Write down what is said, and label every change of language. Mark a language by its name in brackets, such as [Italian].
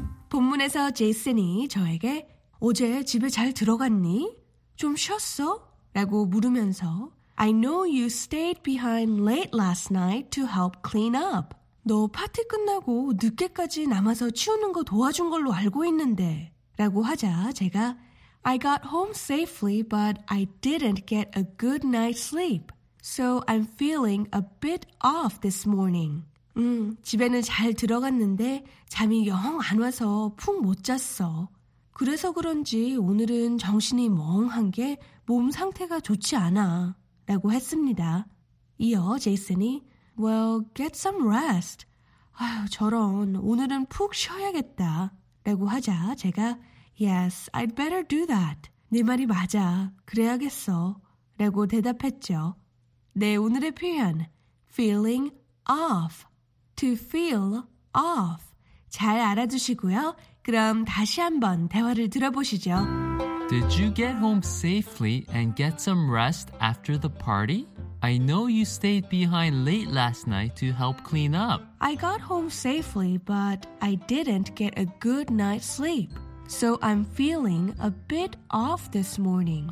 [Korean] 본문에서 제이슨이 저에게 어제 집에 잘 들어갔니? 좀 쉬었어? 라고 물으면서 [English] I know you stayed behind late last night to help clean up. [Korean] 너 파티 끝나고 늦게까지 남아서 치우는 거 도와준 걸로 알고 있는데 라고 하자 제가 [English] I got home safely, but I didn't get a good night's sleep. So I'm feeling a bit off this morning. [Korean] 집에는 잘 들어갔는데 잠이 영 안 와서 푹 못 잤어. 그래서 그런지 오늘은 정신이 멍한 게 몸 상태가 좋지 않아. 라고 했습니다. 이어 제이슨이 [English] Well, get some rest. [Korean] 아휴, 저런, 오늘은 푹 쉬어야겠다. 라고 하자 제가 [English] Yes, I'd better do that. [Korean] 네 말이 맞아. 그래야겠어. 라고 대답했죠. 네, 오늘의 표현. [English] Feeling off. To feel off. [Korean] 잘 알아두시고요. 그럼 다시 한번 대화를 들어보시죠. [English] Did you get home safely and get some rest after the party? I know you stayed behind late last night to help clean up. I got home safely, but I didn't get a good night's sleep. So I'm feeling a bit off this morning.